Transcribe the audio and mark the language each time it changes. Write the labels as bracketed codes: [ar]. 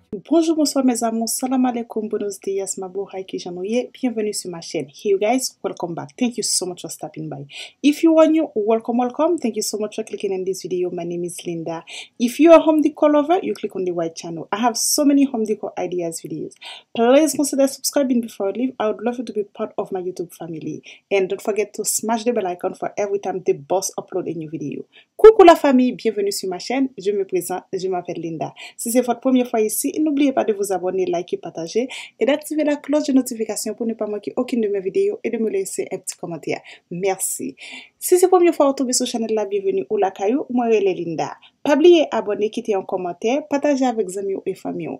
[fr] Bonjour, bonsoir mes amours, salam alaikum, bonos dias, mabou, hai ki janouye, bienvenue sur ma chaîne. [en] Hey you guys, welcome back. Thank you so much for stopping by. If you are new, welcome, welcome. Thank you so much for clicking in this video. My name is Linda. If you are a home decor lover, you click on the white channel. I have so many home decor ideas videos. Please consider subscribing before you leave. I would love you to be part of my YouTube family. And don't forget to smash the bell icon for every time the boss upload a new video. [fr] Coucou la famille, bienvenue sur ma chaîne. Je me présente, je m'appelle Linda. Si c'est votre première fois ici, n'oubliez pas de vous abonner, liker, partager et d'activer la cloche de notification pour ne pas manquer aucune de mes vidéos et de me laisser un petit commentaire. Merci. Si c'est la première fois que vous tombez sur la chaîne, bienvenue ou la caillou, moi je suis Linda. N'oubliez pas d'abonner, quitter un commentaire, partager avec vos amis et famille.